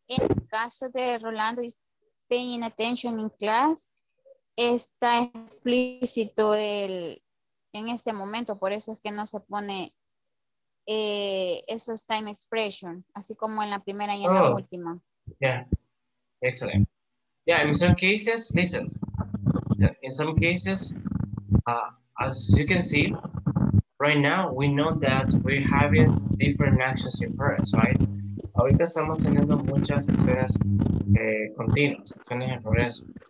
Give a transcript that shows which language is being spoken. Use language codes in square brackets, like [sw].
[es] En el caso de [en] Rolando is paying attention in class, [es] está explícito el en este momento, por eso es que no se pone esos time expression, así como en la primera y en la última. [en] Yeah, excellent. Yeah, in some cases, listen. In some cases, as you can see, right now we know that we're having different actions in progress, right? [es] Ahorita estamos teniendo muchas acciones continuas, acciones en progreso.